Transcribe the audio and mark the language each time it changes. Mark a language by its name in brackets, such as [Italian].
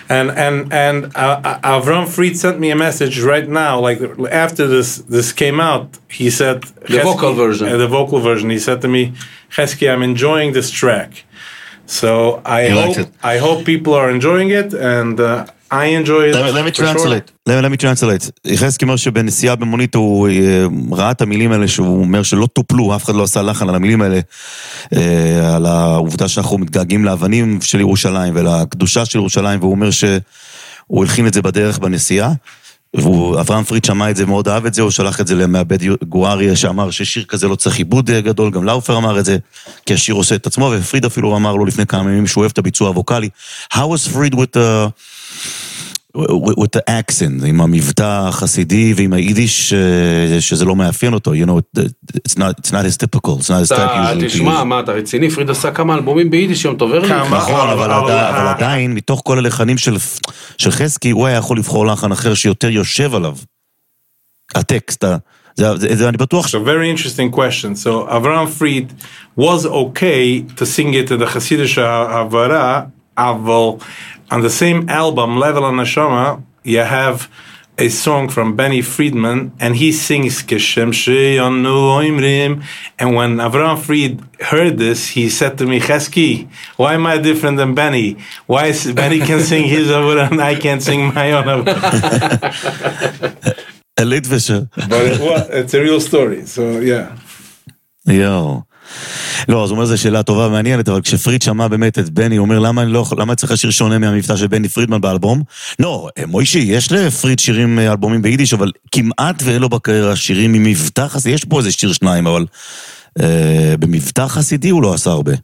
[English] And Avram Fried sent me a message right now, like after this came out, he said... The vocal version. He said to me, Chesky, I'm enjoying this track. So I hope people are enjoying it, and I enjoy it. Let me translate. [Hebrew] Chesky אומר שבנסיעה במונית הוא ראה את המילים האלה, שהוא אומר שלא טופלו, אף אחד לא עשה לחן על המילים האלה, על העובדה שאנחנו מתגעגעים לאבנים של ירושלים ולקדושה של ירושלים, והוא אומר שהוא הלחין את זה בדרך בנסיעה, ואברהם פריד שמע את זה, מאוד אהב את זה, הוא שלח את זה למעבד גואריה, שאמר ששיר כזה לא צריך עיבוד גדול, גם לאופר אמר את זה, כי השיר עושה את עצמו, ופריד אפילו אמר לו לפני כמה ימים שהוא אוהב את הביצוע הווקלי. [English] How was Fried with the accent, [Hebrew] עם המבטא החסידי ועם היידיש, שזה לא מאפיין אותו, [English] you know, it's not as typical, it's not as typical. [Hebrew] תשמע, מה אתה רציני, פריד עשה כמה אלבומים ביידיש יום טוב, נכון, אבל עדיין מתוך כל הלחנים של חסקי, הוא היה יכול לבחור לחן אחר שיותר יושב עליו הטקסט. [English] It's a very interesting question. So Avraham Fried was okay to sing it in the Hasidish Havara, [Hebrew] אבל [English] on the same album, Level on Neshama, you have a song from Benny Friedman, and he sings Keshem She'anu Oimrim. And when Avraham Fried heard this, he said to me, Chesky, why am I different than Benny? Why is Benny can sing his Avraham and I can't sing my own Avraham? A Litvisher. But it's a real story, so yeah. Yo. [Hebrew] לא, אז הוא אומר, זו שאלה טובה ומעניינת, אבל כשפריד שמע באמת את בני, הוא אומר, למה צריך השיר שונה מהמבטא של בני פרידמן באלבום? לא, מוישי, יש לפריד שירים אלבומים ביידיש, אבל כמעט ואין לו בקריירה שירים ממבטא חסידי, יש פה איזה שיר שניים, אבל במבטא חסידי הוא לא עשה הרבה.